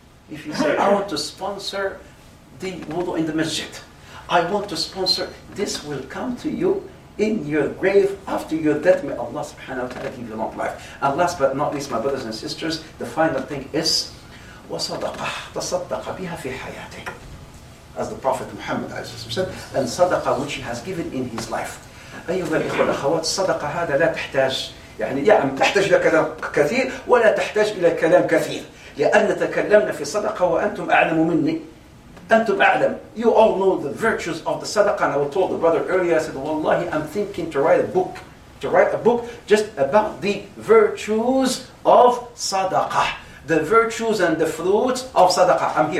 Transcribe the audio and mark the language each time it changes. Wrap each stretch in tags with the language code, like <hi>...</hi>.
<en>If you say, I want to sponsor the wudu in the masjid, I want to sponsor, this will come to you in your grave after your death. May Allah subhanahu wa ta'ala give you long life. And last but not least, my brothers and sisters, the final thing is,</en> <ar>وَصَدَقَهْ تَصَدَّقَ بِهَا فِي حَيَاتِهِ,</ar> <en>as the Prophet Muhammad said, and sadaqah which he has given in his life.</en> <ar>أيها الإخوة الأخوات, صدقة هذا لا تحتاج, يعني يعني تحتاج إلى كلام كثير ولا تحتاج إلى كلام كثير, لأن تكلمنا في صدقة وأنتم أعلم مني, أنتم أعلم.</ar> <en>You all know the virtues of the صدقة. And I told the brother earlier, I said, wallahi, I'm thinking to write a book just about the virtues of صدقة, the virtues and the fruits of صدقة.</en>